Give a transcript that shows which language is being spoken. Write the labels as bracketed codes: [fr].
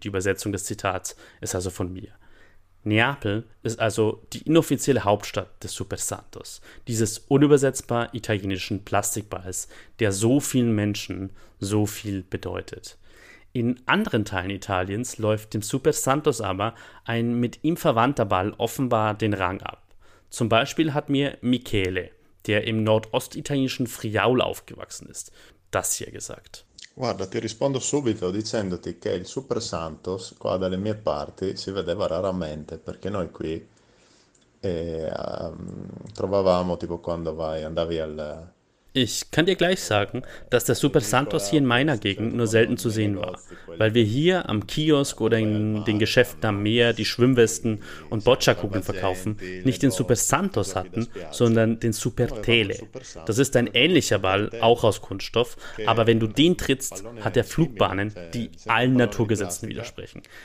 [de] Die Übersetzung des Zitats ist also von mir. Neapel ist also die inoffizielle Hauptstadt des Super Santos, dieses unübersetzbar italienischen Plastikballs, der so vielen Menschen so viel bedeutet. In anderen Teilen Italiens läuft dem Super Santos aber ein mit ihm verwandter Ball offenbar den Rang ab. Zum Beispiel hat mir Michele, der im nordostitalienischen Friaul aufgewachsen ist, das hier gesagt. [it] Guarda, ti rispondo subito dicendoti che il Super Santos qua dalle mie parti si vedeva raramente perché noi qui trovavamo tipo quando vai andavi al. [de] Ich kann dir gleich sagen, dass der Super Santos hier in meiner Gegend nur selten zu sehen war, weil wir hier am Kiosk oder in den Geschäften am Meer die Schwimmwesten und Boccia-Kugeln verkaufen, nicht den Super Santos hatten, sondern den Super Tele. Das ist ein ähnlicher Ball, auch aus Kunststoff, aber wenn du den trittst, hat er Flugbahnen, die allen Naturgesetzen widersprechen.